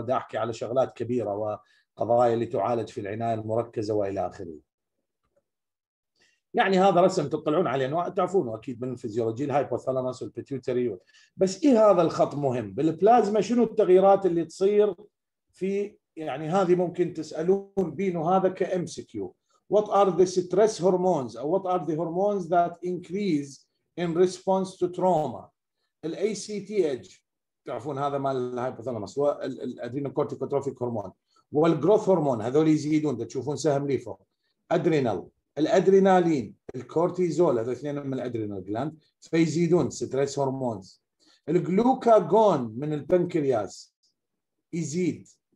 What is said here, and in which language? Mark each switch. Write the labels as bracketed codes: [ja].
[ar] دا احكي على شغلات كبيره وقضايا اللي تعالج في العنايه المركزه والى اخره. يعني هذا رسم تطلعون عليه، انواع تعرفونه اكيد من الفيزيولوجي، الهايبوثالاموس والبيتيوتري. بس ايه هذا الخط مهم بالبلازما، شنو التغييرات اللي تصير في، يعني هذه ممكن تسالون بينه هذا كام سي كيو. [en] What are the stress hormones or what are the hormones that increase in response to trauma? [ar] The ACTH, تعرفون هذا مال الهايبوثالاموس، والادرينال كورتيكوتروفيك هرمون، والجروث هرمون هذول يزيدون، تشوفون سهم ليفه، ادرينال، الادرينالين، الكورتيزول، هذول اثنين من الادرينال جلاند فيزيدون ستريس هرمونز، الجلوكاجون من البنكرياس يزيد،